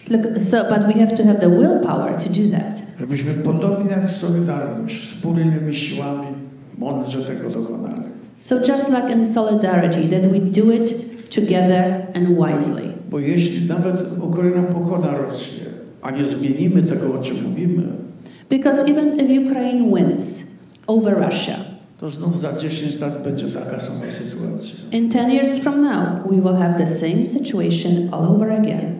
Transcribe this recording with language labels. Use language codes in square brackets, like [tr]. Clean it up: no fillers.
[en] But we have to have the willpower to do that. [pl] Żebyśmy podobnie jak solidarność, wspólnymi siłami mądrze tego dokonali. [en] So just like in solidarity, that we do it together and wisely. [pl] Bo jeśli nawet Ukraina pokona Rosję, a nie zmienimy tego, o czym mówimy. [en] Because even if Ukraine wins over Russia, [pl] to znów za 10 lat będzie taka sama sytuacja. [en] In 10 years from now, we will have the same situation all over again.